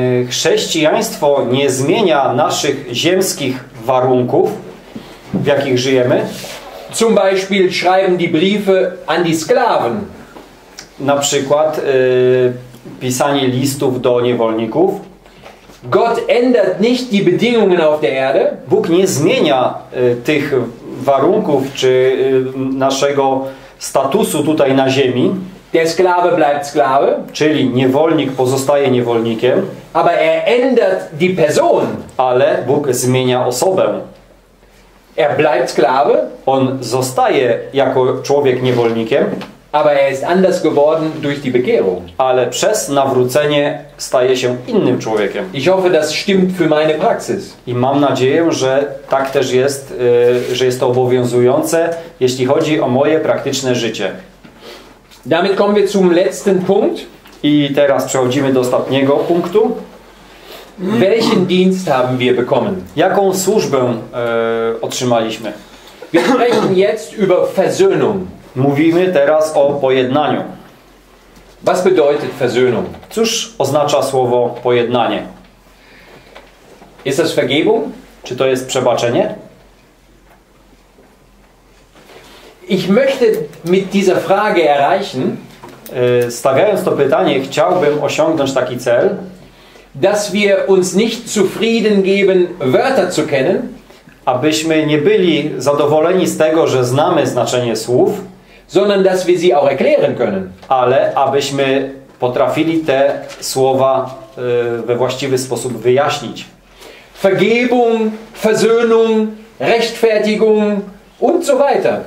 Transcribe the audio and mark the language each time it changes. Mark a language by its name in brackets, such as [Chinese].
[Polish] Chrześcijaństwo nie zmienia naszych ziemskich warunków, w jakich żyjemy. [German] Zum Beispiel schreiben die Briefe an die Sklaven. [Polish] Na przykład pisanie listów do niewolników. [German] Gott ändert nicht die Bedingungen auf der Erde. [Polish] Bóg nie zmienia tych warunków czy naszego statusu tutaj na ziemi. [German] Der Sklave bleibt Sklave. [Polish] Czyli niewolnik pozostaje niewolnikiem. [German] Aber er ändert die Person. [Polish] Ale Bóg zmienia osobę. [German] Er bleibt Sklave. [Polish] On zostaje jako człowiek niewolnikiem. [German] Aber er ist anders geworden durch die Bekehrung. [Polish] Ale przez nawrócenie staje się innym człowiekiem. [German] Ich hoffe, das stimmt für meine Praxis. [Polish] I mam nadzieję, że tak też jest, że jest to obowiązujące, jeśli chodzi o moje praktyczne życie. [German] Damit kommen wir zum letzten Punkt. [Polish] I teraz przechodzimy do ostatniego punktu. [German] Welchen Dienst haben wir bekommen? [Polish] Jaką służbę otrzymaliśmy? [German] Wir sprechen jetzt über Versöhnung. [Polish] Mówimy teraz o pojednaniu. [German] Was bedeutet Versöhnung? [Polish] Cóż oznacza słowo pojednanie? [German] Ist das Vergebung? [Polish] Czy to jest przebaczenie? [German] Ich möchte mit dieser Frage erreichen, [Polish] stawiając to pytanie, chciałbym osiągnąć taki cel, [German] dass wir uns nicht zufrieden geben, Wörter zu kennen, [Polish] abyśmy nie byli zadowoleni z tego, że znamy znaczenie słów, [German] sondern dass wir sie auch erklären können, [Polish] ale abyśmy potrafili te słowa we właściwy sposób wyjaśnić. [German] Vergebung, Versöhnung, Rechtfertigung und so weiter.